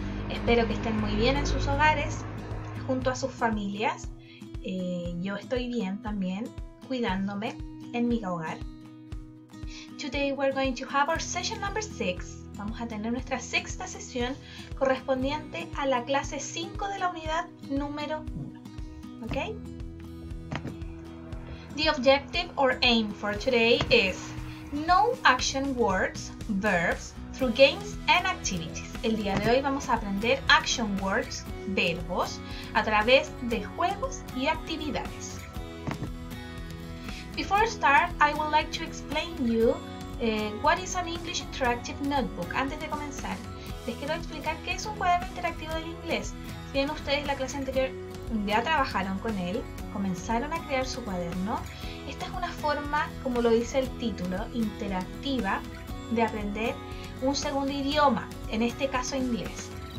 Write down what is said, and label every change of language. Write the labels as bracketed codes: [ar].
[es] Espero que estén muy bien en sus hogares, junto a sus familias. Yo estoy bien también, cuidándome en mi hogar. [en] Today we're going to have our session number 6. [es] Vamos a tener nuestra sexta sesión correspondiente a la clase 5 de la unidad número 1. ¿Ok? [en] The objective or aim for today is no action words, verbs, through games and activities. [es] El día de hoy vamos a aprender action words, verbos, a través de juegos y actividades. [en] Before I start, I would like to explain you what is an English interactive notebook. [es] Antes de comenzar, les quiero explicar qué es un cuaderno interactivo del inglés. Si bien ustedes la clase anterior ya trabajaron con él, comenzaron a crear su cuaderno, esta es una forma, como lo dice el título, interactiva de aprender un segundo idioma, en este caso inglés.